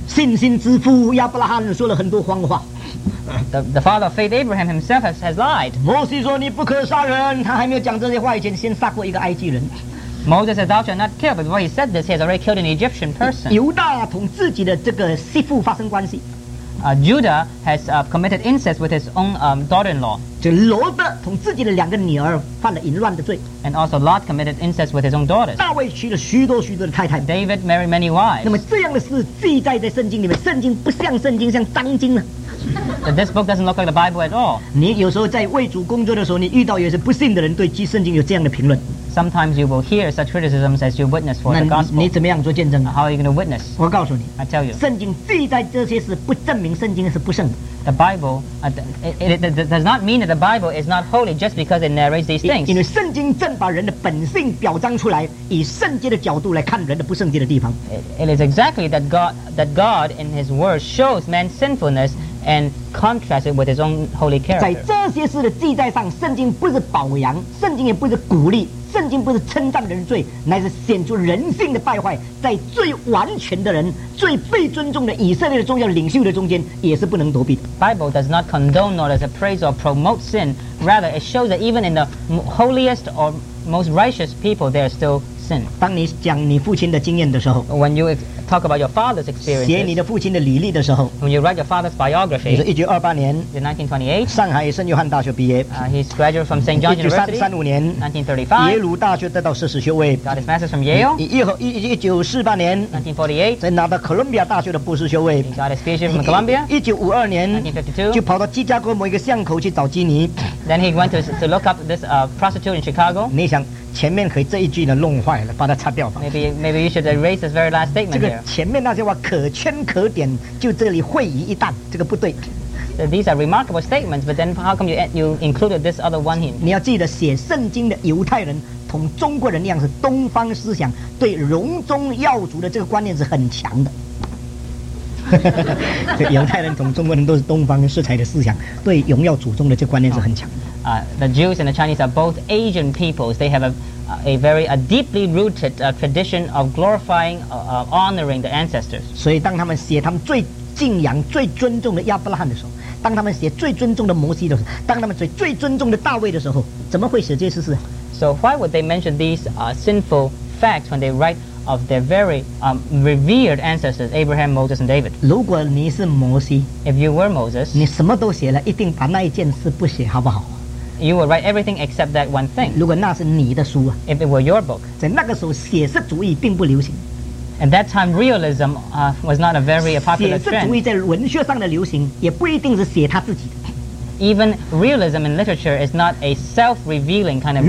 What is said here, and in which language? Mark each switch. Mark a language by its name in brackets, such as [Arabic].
[Chinese] 信心之父亚伯拉罕说了很多谎话。 [English] The father of faith, Abraham himself, has lied. [Chinese] 摩西说你不可杀人，他还没有讲这些话以前，先杀过一个埃及人。 [English] Moses said, thou shalt not kill, but before he said this, he has already killed an Egyptian person. [Chinese] 犹大同自己的这个媳妇发生关系。 [English] Judah has committed incest with his own daughter-in-law. [Chinese] 这罗德同自己的两个女儿犯了淫乱的罪。 [English] And also Lot committed incest with his own daughters. [Chinese] 大卫娶了许多许多的太太。 [English] David married many wives. [Chinese] 那么这样的事记载在圣经里面，圣经不像圣经，像脏经了。 [English] But this book doesn't look like the Bible at all. [Chinese] 你有时候在为主工作的时候，你遇到有些不信的人对《圣经》有这样的评论。 [English] Sometimes you will hear such criticisms as you witness for the gospel. [Chinese] 你怎么样做见证？ [English] How are you going to witness? [Chinese] 我告诉你， [English] I tell you. [Chinese] 圣经记载这些事不证明圣经是不圣的。 [English] The Bible it does not mean that the Bible is not holy just because it narrates these things. [Chinese] 因为圣经正把人的本性表彰出来，以圣洁的角度来看人的不圣洁的地方。 [English] It is exactly that God in His Word shows man's sinfulness. And contrasted with his own holy character. [Chinese] 在这些事的记载上，圣经不是褒扬，圣经也不是鼓励，圣经不是称赞人罪，乃是显出人性的败坏。在最完全的人、最被尊重的以色列的宗教领袖的中间，也是不能躲避的。 [English] Bible does not condone nor does it praise or promote sin. Rather, it shows that even in the holiest or most righteous people, there is still sin. [Chinese] 当你讲你父亲的经验的时候 [English] ，When you talk about your father's experience. [Chinese] 写你的父亲的履历的时候 [English] ，When you write your father's biography. [Chinese] 你是1928年 [English] ，1928， [Chinese] 上海圣约翰大学毕业。 [English] He's graduated from St. John's University. [Chinese] 1935年 [English] ，1935， [Chinese] 耶鲁大学得到硕士学位。 [English] Got his master's from Yale. [Chinese] 1948年 [English] ，1948， [Chinese] 再拿到哥伦比亚大学的博士学位。 [English] He got his PhD from Columbia. [Chinese] 1952年 [English] ，1952， [Chinese] 就跑到芝加哥某一个巷口去找基尼。 [English] Then he went to look up this prostitute in Chicago. [Chinese] 你想。前面可以这一句呢弄坏了，把它擦掉吧。 [English] Maybe you should erase this very last statement. [Chinese] 这个前面那些话可圈可点，就这里会意一旦，这个不对。 [English] So、these are remarkable statements, but then how come you included this other one here? [Chinese] 你要记得写圣经的犹太人同中国人那样是东方思想，对荣宗耀祖的这个观念是很强的。这犹太人同中国人都是东方色彩的思想，对荣耀祖宗的这个观念是很强的。 [English] The Jews and the Chinese are both Asian peoples. They have a very deeply rooted tradition of glorifying, honoring the ancestors. [Chinese] 所以当他们写他们最敬仰、最尊重的亚伯拉罕的时候，当他们写最尊重的摩西的时候，当他们写最尊重的大卫的时候，怎么会写这些事？ [English] So why would they mention these sinful facts when they write of their very revered ancestors, Abraham, Moses, and David? [Chinese] 如果你是摩西， [English] if you were Moses, [Chinese] 你什么都写了，一定把那一件事不写，好不好？ [English] You will write everything except that one thing. [Chinese] 如果那是你的书啊, [English] if it were your book, [Chinese] 在那个时候写实主义并不流行。 [English] At that time, realism was not a very popular trend. [Chinese] 写实主义在文学上的流行也不一定是写他自己的。 [English] Even realism in literature is not a self-revealing kind of realism.